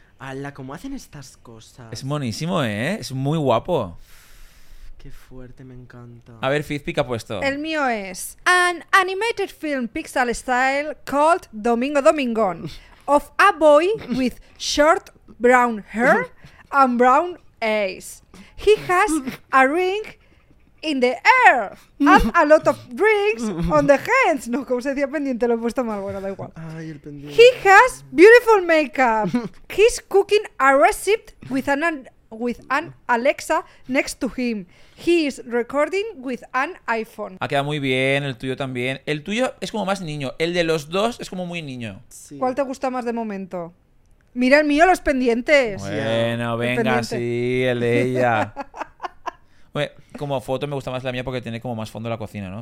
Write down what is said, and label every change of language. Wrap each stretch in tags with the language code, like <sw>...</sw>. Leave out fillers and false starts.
<es>Ala, ¿cómo hacen estas cosas? Es monísimo, ¿eh? Es muy guapo. Qué fuerte, me encanta. A ver, Fizpi, ¿qué ha puesto? El mío es</es> <en>an animated film pixel style called Domingo Domingón of a boy with short brown hair and brown eyes. He has a ring in the air and a lot of rings on the hands.</en> <es>No, como se decía, pendiente, lo he puesto mal. Bueno, da igual. Ay, el pendiente.</es> <en>He has beautiful makeup. He's cooking a recipe with an Alexa next to him. He is recording with an iPhone.</en> <es>Ha quedado muy bien, el tuyo también. El tuyo es como más niño. El de los dos es como muy niño. Sí. ¿Cuál te gusta más de momento? Mira el mío, los pendientes. Bueno, yeah. Venga, el pendiente. Sí, el de ella. Como foto me gusta más la mía porque tiene como más fondo la cocina, ¿no?</es>